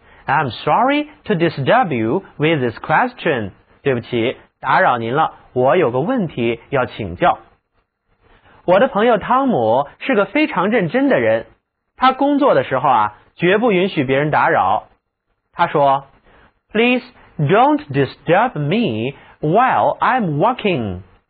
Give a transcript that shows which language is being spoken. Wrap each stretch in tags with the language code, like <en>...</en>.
<en>I'm sorry to disturb you with this question.</en> <zh>对不起，打扰您了，我有个问题要请教。我的朋友汤姆是个非常认真的人，他工作的时候啊，绝不允许别人打扰。他说</zh> <en>Please don't disturb me while I'm working.</en>